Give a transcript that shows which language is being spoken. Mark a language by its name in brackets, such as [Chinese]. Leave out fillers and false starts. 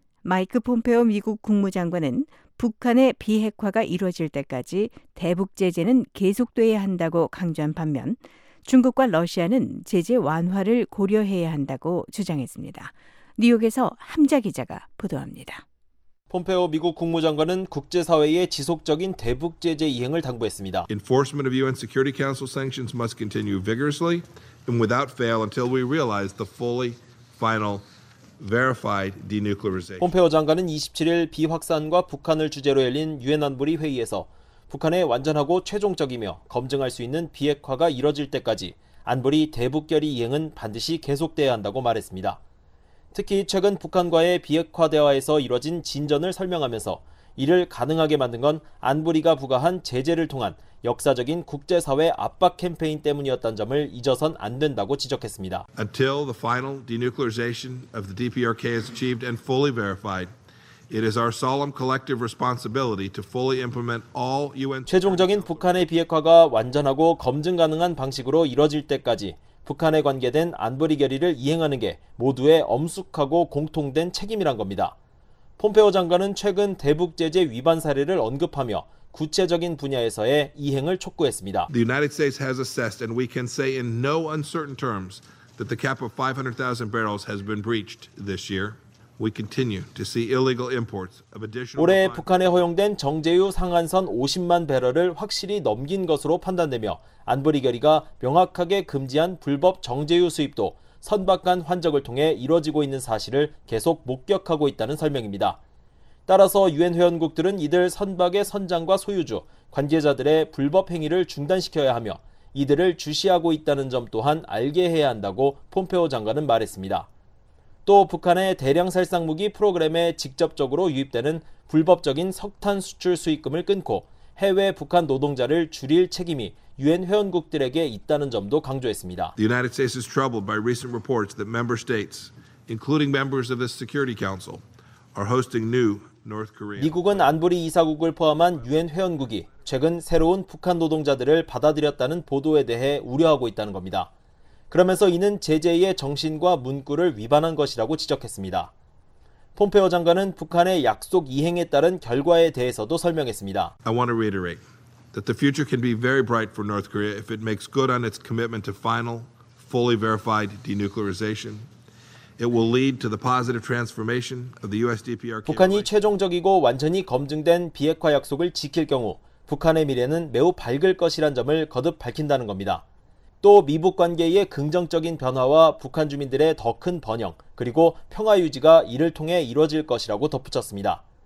[Korean] 마이크 폼페오 미국 국무장관은 북한의 비핵화가 이루어질 때까지 대북 제재는 계속돼야 한다고 강조한 반면 중국과 러시아는 제재 완화를 고려해야 한다고 주장했습니다. 뉴욕에서 함자 기자가 보도합니다. 폼페오 미국 국무장관은 국제사회의 지속적인 대북 제재 이행을 당부했습니다. [English] Enforcement of UN Security Council sanctions must continue vigorously and without fail until we realize the fully final verified denuclearization. [Korean] 폼페오 장관은 27일 비확산과 북한을 주제로 열린 유엔 안보리 회의에서 북한의 완전하고 최종적이며 검증할 수 있는 비핵화가 이뤄질 때까지 안보리 대북 결의 이행은 반드시 계속돼야 한다고 말했습니다. 특히 최근 북한과의 비핵화 대화에서 이뤄진 진전을 설명하면서 이를 가능하게 만든 건 안보리가 부과한 제재를 통한 역사적인 국제사회 압박 캠페인 때문이었다는 점을 잊어선 안 된다고 지적했습니다. [English] Until the final denuclearization of the DPRK is achieved and fully verified, it is our solemn collective responsibility to fully implement all UN. [Korean] 최종적인 북한의 비핵화가 완전하고 검증 가능한 방식으로 이뤄질 때까지 북한에 관계된 안보리 결의를 이행하는 게 모두의 엄숙하고 공통된 책임이란 겁니다. 폼페오 장관은 최근 대북 제재 위반 사례를 언급하며 구체적인 분야에서의 이행을 촉구했습니다. [English] The United States has assessed and we can say in no uncertain terms that the cap of 500,000 barrels has been breached this year. We continue to see illegal imports of additional. [Korean] 올해 북한에 허용된 정제유 상한선 50만 배럴을 확실히 넘긴 것으로 판단되며 안보리 결의가 명확하게 금지한 불법 정제유 수입도 선박 간 환적을 통해 이루어지고 있는 사실을 계속 목격하고 있다는 설명입니다. 따라서 유엔 회원국들은 이들 선박의 선장과 소유주, 관계자들의 불법 행위를 중단시켜야 하며 이들을 주시하고 있다는 점 또한 알게 해야 한다고 폼페오 장관은 말했습니다. 또 북한의 대량 살상 무기 프로그램에 직접적으로 유입되는 불법적인 석탄 수출 수익금을 끊고 해외 북한 노동자를 줄일 책임이 유엔 회원국들에게 있다는 점도 강조했습니다. [English] The United States is troubled by recent reports that member states, including members of the Security Council, are hosting new North Korea. [Korean] 미국은 안보리 이사국을 포함한 유엔 회원국이 최근 새로운 북한 노동자들을 받아들였다는 보도에 대해 우려하고 있다는 겁니다. 그러면서 이는 제재의 정신과 문구를 위반한 것이라고 지적했습니다. 폼페오 장관은 북한의 약속 이행에 따른 결과에 대해서도 설명했습니다. [English] I want to reiterate that the future can be very bright for North Korea if it makes good on its commitment to final, fully verified denuclearization. It will lead to the positive transformation of the USDPRK. [Korean] 북한이 최종적이고 완전히 검증된 비핵화 약속을 지킬 경우 북한의 미래는 매우 밝을 것이란 점을 거듭 밝힌다는 겁니다. 또 미북 관계의 긍정적인 변화와 북한 주민들의 더 큰 번영 그리고 평화 유지가 이를 통해 이루어질 것이라고 덧붙였습니다.